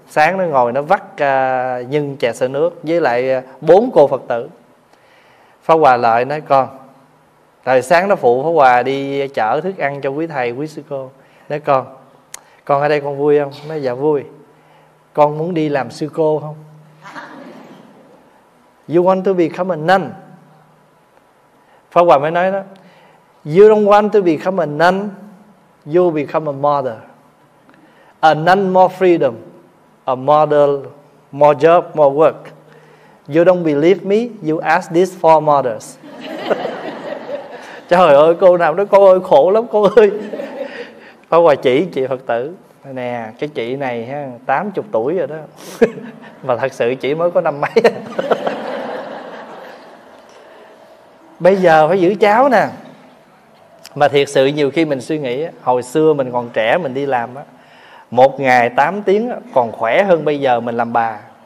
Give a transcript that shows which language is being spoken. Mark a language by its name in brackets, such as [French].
[Vietnamese] Sáng nó ngồi nó vắt nhân chè sữa nước với lại bốn cô Phật tử. Pháp Hòa lại nói, con tại sáng nó phụ Pháp Hòa đi chở thức ăn cho quý thầy quý sư cô. Nói, con ở đây con vui không? Nói, dạ vui. Con muốn đi làm sư cô không? [English] You want to become a nun? Pháp Hòa [Vietnamese] mới nói đó, [English] you don't want to become a nun, you become a mother. A nun more freedom, a mother more job, more work. You don't believe me, you ask these four mothers. [Vietnamese] Trời ơi, cô nào đó, cô ơi, khổ lắm cô ơi. Pháp Hòa chị Phật tử nè, cái chị này ha, 80 tuổi rồi đó. Mà thật sự chị mới có năm mấy. Bây giờ phải giữ cháu nè. Mà thiệt sự nhiều khi mình suy nghĩ, hồi xưa mình còn trẻ mình đi làm á, một ngày 8 tiếng còn khỏe hơn bây giờ mình làm bà.